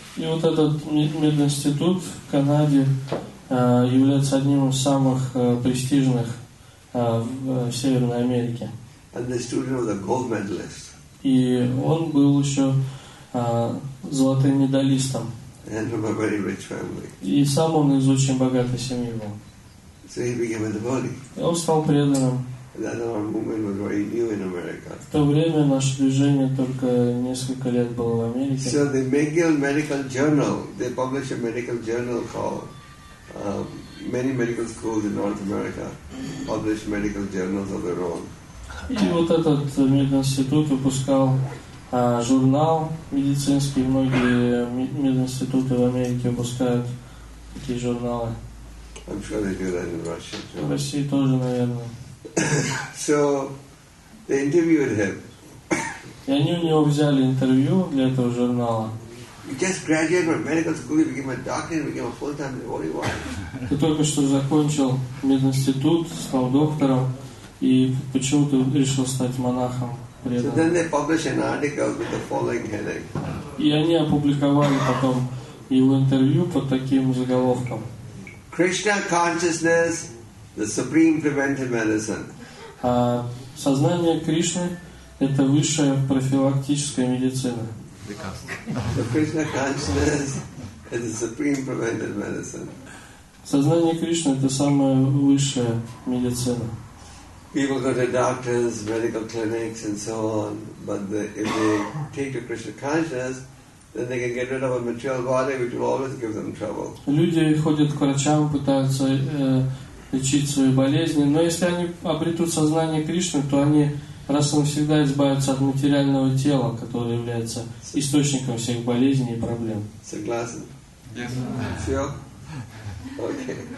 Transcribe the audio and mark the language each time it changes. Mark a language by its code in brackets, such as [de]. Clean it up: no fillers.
[ru] И вот этот мединститут в Канаде является одним из самых престижных в Северной Америке. [en] And the student was a gold medalist. [ru] И он был еще золотым медалистом. [en] And from a very rich family. [ru] И сам он из очень богатой семьи был. [en] So he became a devotee. [ru] Он стал преданным. [en] That our movement was very new in America. [ru] В то время наше движение только несколько лет было в Америке. [en] So the McGill Medical Journal, they published a medical journal called many medical schools in North America published medical journals of their own. [ru] И вот этот мединститут выпускал журнал медицинский. Многие мединституты в Америке выпускают такие журналы. [en] I'm sure they do that in Russia too. [ru] В России тоже, наверное. [en] So they interviewed him. [ru] И они у него взяли интервью для этого журнала. [en] He just graduated from medical school, he became a doctor, he became a full-time devotee. Why? [ru] Ты только что закончил мединститут, стал доктором, и почему ты решил стать монахом? [en] So then they published an article with the following heading. [ru] И они опубликовали потом его интервью под таким заголовком. [en] Krishna consciousness, the supreme preventive medicine. [ru] Сознание Кришны – это высшая профилактическая медицина. [en] The Krishna consciousness is the supreme preventive medicine. [ru] Сознание Кришны – это самая высшая медицина. [en] People go to doctors, medical clinics, and so on, but if they take the Krishna consciousness, then they can get rid of a material body, which will always give them trouble. [ru] Люди ходят к врачам, пытаются лечить свои болезни. Но если они обретут сознание Кришны, то они раз и навсегда избавятся от материального тела, которое является источником всех болезней и проблем. Согласен? [en] Yes. [ru] Все? Окей.